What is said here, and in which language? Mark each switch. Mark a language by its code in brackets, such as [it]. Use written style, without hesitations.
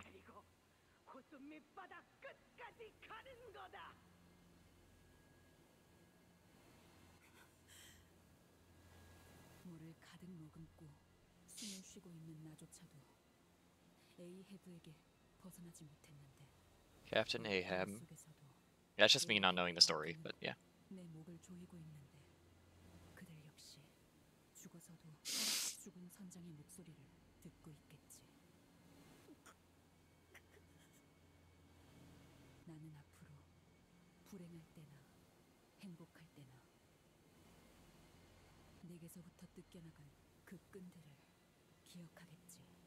[ko] 그리고 호수 밑바닥 끝까지 가는 거다. 물을 가득 머금고 숨을 쉬고 있는 나조차도 에이헤브에게 벗어나지 못했는데. [en] Captain Ahab. That's just me not knowing the story, but yeah. [ko] 내 목을 조이고 있는데 그들 역시 죽어서도 죽은 선장의 목소리를 듣고 있겠지. 나는 앞으로 불행할 때나 행복할 때나 내게서부터 뜯겨나간 그 끈들을 기억하겠지.